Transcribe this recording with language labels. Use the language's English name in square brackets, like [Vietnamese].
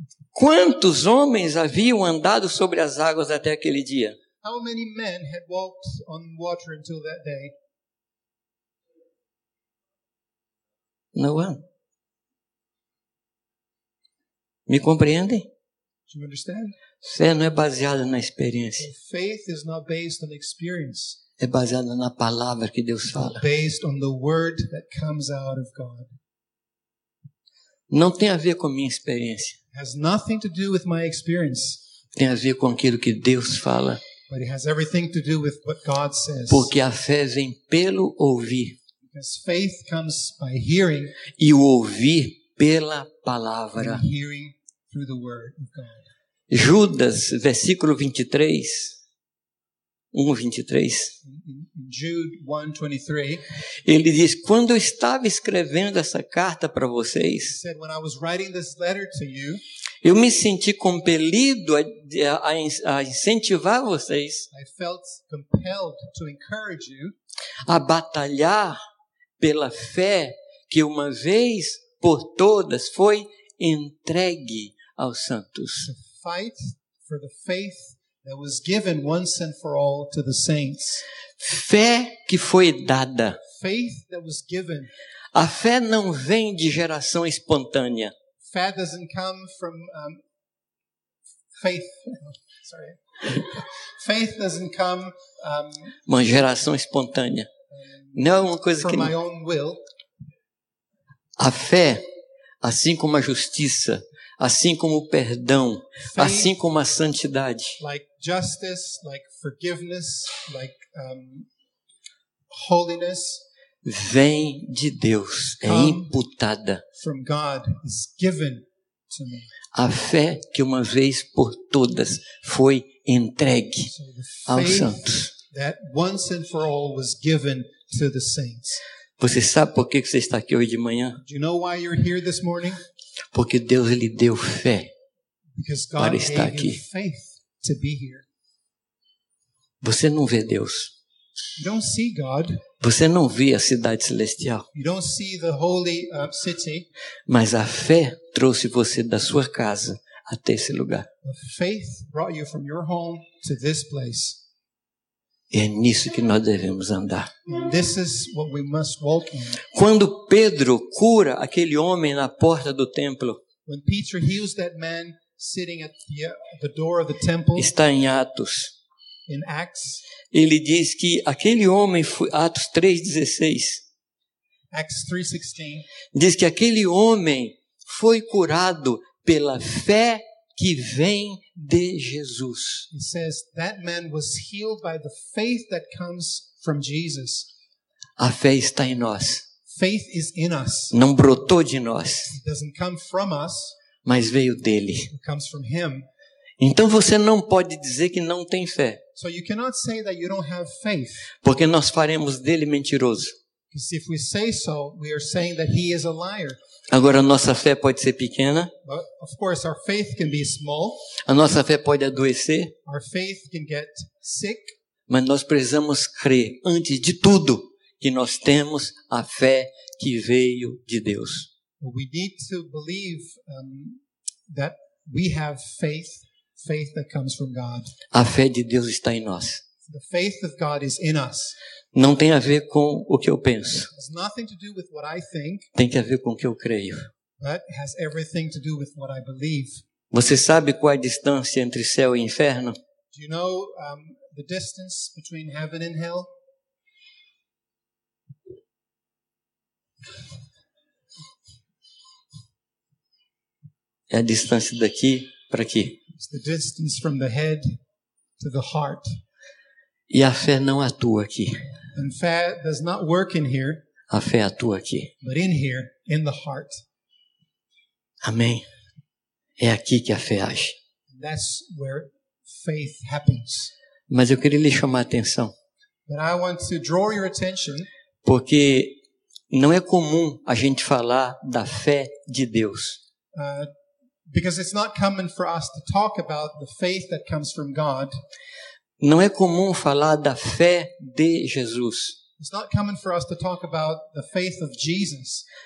[Portuguese] Quantos homens haviam andado sobre as águas até aquele dia? [English] How many men had walked on water until that day? No one. [Portuguese] Me compreende? [English] Do you understand? [Portuguese] Fé não é baseada na experiência. [English] Faith is not based on experience. [Portuguese] É baseada na palavra que Deus fala. [English] Based on the word that comes out of God. [Portuguese] Não tem a ver com minha experiência. [English] It has nothing to do with my experience. [Portuguese] Tem a ver com aquilo que Deus fala. [English] But it has everything to do with what God says. [Portuguese] Porque a fé vem pelo ouvir. [English] Because faith comes by hearing. [Portuguese] E o ouvir pela palavra. [English] And hearing through the word of God. [Portuguese] Judas, versículo 23. 1:23. [English] Jude 1:23. [Portuguese] Ele diz, quando eu estava escrevendo essa carta para vocês, [English] he said, when I was writing this letter to you, [Portuguese] eu me senti compelido a incentivar vocês [English] I felt compelled to encourage you, [Portuguese] a batalhar pela fé que uma vez por todas foi entregue aos santos. [English] To fight for the faith that was given once and for all to the saints. [Portuguese] Fé que foi dada. [English] Faith that was given. [Portuguese] A fé não vem de geração espontânea. [English] Faith doesn't come from faith. Sorry. Faith doesn't come [Portuguese] uma geração espontânea. Não é uma coisa [English] from [Portuguese] que [English] my own will. [Portuguese] A fé, assim como a justiça, assim como o perdão, [English] faith, [Portuguese] assim como a santidade. [English] Like justice, like forgiveness, like holiness. [Portuguese] Vem de Deus, é imputada. [English] From God is given to me. [Portuguese] A fé que uma vez por todas foi entregue aos santos. [English] That once and for all was given to the saints. [Portuguese] Você sabe por que você está aqui hoje de manhã? [English] Do you know why you're here this morning? [Portuguese] Porque Deus lhe deu fé para estar aqui. [English] Faith to be here. [Portuguese] Você não vê Deus. [English] You don't see God. [Portuguese] Você não vê a cidade celestial. [English] You don't see the holy, city. [Portuguese] Mas a fé trouxe você da sua casa até esse lugar. [English] Faith brought you from your home to this place. [Portuguese] É nisso que nós devemos andar. [English] This is what we must walk in. [Portuguese] Quando Pedro cura aquele homem na porta do templo, [English] when Peter heals that man sitting at the door of the temple, [Portuguese] está em Atos. [English] In Acts, [Portuguese] ele diz que aquele homem foi, Atos 3:16. [English] Acts 3:16. [Portuguese] Diz que aquele homem foi curado pela fé que vem de Jesus. [English] It says that man was healed by the faith that comes from Jesus. [Portuguese] A fé está em nós. [English] Faith is in us. [Portuguese] Não brotou de nós. [English] It doesn't come from us. [Portuguese] Mas veio dele. [English] It comes from him. [Portuguese] Então você não pode dizer que não tem fé. [English] So you cannot say that you don't have faith. [Portuguese] Porque nós faremos dele mentiroso. [English] Because if we say so, we are saying that he is a liar. [Portuguese] Agora a nossa fé pode ser pequena. [English] But of course, our faith can be small. [Portuguese] A nossa fé pode adoecer. [English] Our faith can get sick. [Portuguese] Mas nós precisamos crer, antes de tudo, que nós temos a fé que veio de Deus. [English] We need to believe that we have faith, faith that comes from God. [Portuguese] A fé de Deus está em nós. [English] The faith of God is in us. [Portuguese] Não tem a ver com o que eu penso. [English] It has nothing to do with what I think. [Portuguese] Tem que ver com o que eu creio. [English] But it has everything to do with what I believe. [Portuguese] Você sabe qual é a distância entre céu e inferno? [English] Do you know the distance between heaven and hell? [Portuguese] É a distância daqui para aqui. [English] It's the distance from the head to the heart. [Portuguese] E a fé não atua aqui. [English] And faith does not work in here. [Portuguese] A fé atua aqui. [English] But in here, in the heart. [Portuguese] Amém. É aqui que a fé age. [English] That's where faith happens. [Portuguese] Mas eu queria lhe chamar a atenção. [English] But I want to draw your attention. [Portuguese] Porque não é comum a gente falar da fé de Deus. [English] Because it's not common for us to talk about the faith that comes from God. [Portuguese] Não é comum falar da fé de Jesus. [English] It's not common for us to talk about the faith of Jesus.